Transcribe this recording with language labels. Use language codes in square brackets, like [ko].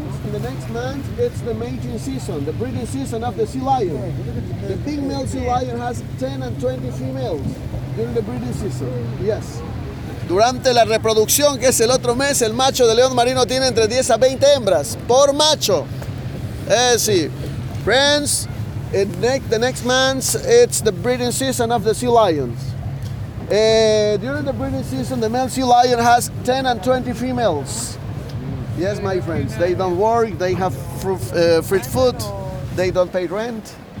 [en] The next month, it's the mating season, the breeding season of the sea lion. The female sea lion has 10 and 20 females during the breeding season. Yes. [es] Durante la reproducción, que es el otro mes, el macho de león marino tiene entre 10 a 20 hembras por macho. Sí. Friends. [en] The next month, it's the breeding season of the sea lions. During the breeding season, the male sea lion has 10 and 20 females. Yes, my friends, they don't work, they have free food, they don't pay rent.